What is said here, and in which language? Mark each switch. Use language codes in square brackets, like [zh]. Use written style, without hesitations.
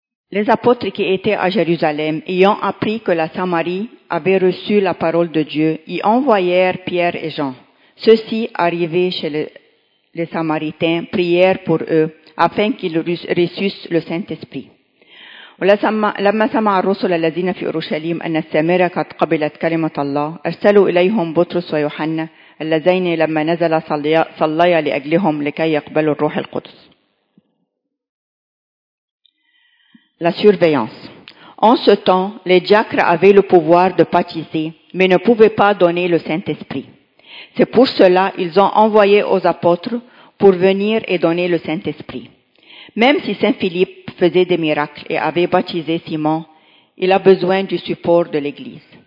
[fr] Les apôtres qui étaient à Jérusalem, ayant appris que la Samarie avait reçu la parole de Dieu, y envoyèrent Pierre et Jean. Ceux-ci, arrivés chez les Samaritains, prièrent pour eux, afin qu'ils reçussent le Saint-Esprit. [ar] لما سمع الرسل الذين في أورشليم أن السامرة قد قبلت كلمة الله أرسلوا إليهم بطرس ويوحنا اللذين لما نزل صليا لأجلهم لكي يقبلوا الروح القدس. [fr] La surveillance. En ce temps, les diacres avaient le pouvoir de baptiser, mais ne pouvaient pas donner le Saint-Esprit. C'est pour cela qu'ils ont envoyé aux apôtres pour venir et donner le Saint-Esprit. Même si Saint-Philippe faisait des miracles et avait baptisé Simon, il a besoin du support de l'Église.